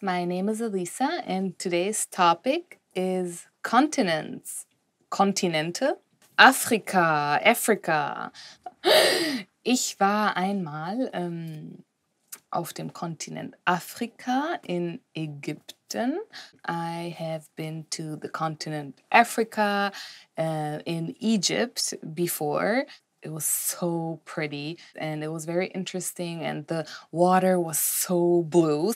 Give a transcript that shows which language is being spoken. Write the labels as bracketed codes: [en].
[en] My name is Alisa, and today's topic is continents. [de] Kontinente? Afrika. Ich war einmal auf dem Kontinent Afrika in Ägypten. [en] I have been to the continent Africa in Egypt before. It was so pretty and it was very interesting and the water was so blue.